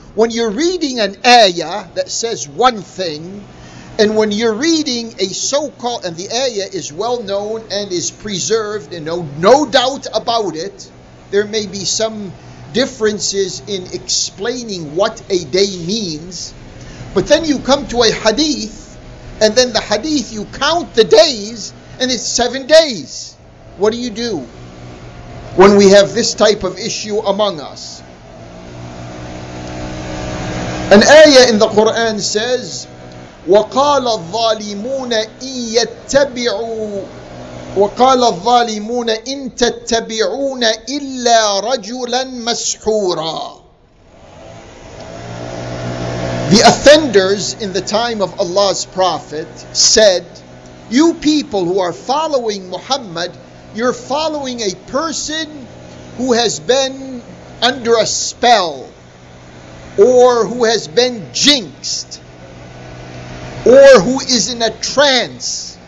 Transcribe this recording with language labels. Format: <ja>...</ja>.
<en>when you're reading an ayah that says one thing, and when you're reading a so-called, and the ayah is well known and is preserved, and no doubt about it, there may be some differences in explaining what a day means, but then you come to a hadith, and then the hadith, you count the days, and it's 7 days. What do you do when we have this type of issue among us? An ayah in the Quran says,</en> <ar>وَقَالَ الظَّالِمُونَ إِن يَتَّبِعُوا وَقَالَ الظَّالِمُونَ إِن تَتَّبِعُونَ إِلَّا رَجُلًا مَسْحُورًا.</ar> <en>The offenders in the time of Allah's Prophet said, you people who are following Muhammad, you're following a person who has been under a spell, or who has been jinxed, or who is in a trance.</en>